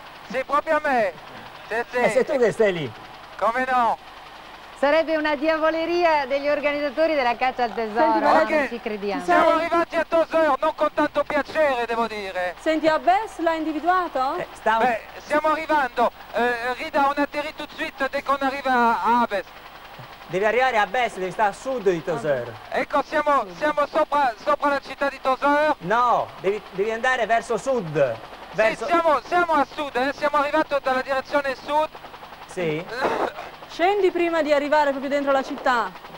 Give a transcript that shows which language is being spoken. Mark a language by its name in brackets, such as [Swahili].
[Italian] Sì, proprio a me. Sì. E sei tu che stai lì? Come no? Sarebbe una diavoleria degli organizzatori della caccia al tesoro. Senti, ma okay, non ci crediamo. Siamo arrivati a Tosseur, non con tanto piacere, devo dire. Senti, Abbès l'ha individuato? Stiamo arrivando. [French] Rida, on atterrit tout de suite dès qu'on arrive a Abbès. [Italian] Devi arrivare a Abbès, devi stare a sud di Tosseur. Ecco, siamo sopra la città di Tosseur. No, devi andare verso sud. Sì, siamo a sud, siamo arrivati dalla direzione sud. Sì. Scendi prima di arrivare proprio dentro la città.